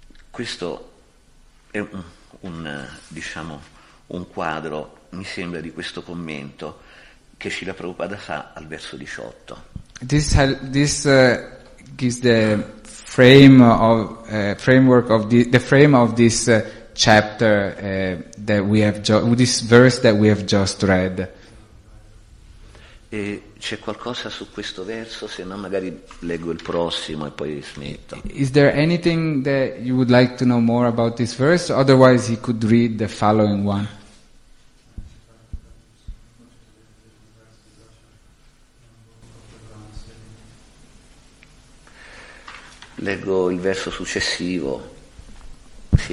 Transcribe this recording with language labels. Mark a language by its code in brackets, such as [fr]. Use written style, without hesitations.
[it] Questo è un quadro, mi sembra, di questo commento che Srila Prabhupada fa al verso 18. [en] This gives the framework of this verse that we have just read. [it] E c'è qualcosa su questo verso, se no magari leggo il prossimo e poi smetto. [en] Is there anything that you would like to know more about this verse? Otherwise he could read the following one. [it] Leggo il verso successivo. Sì.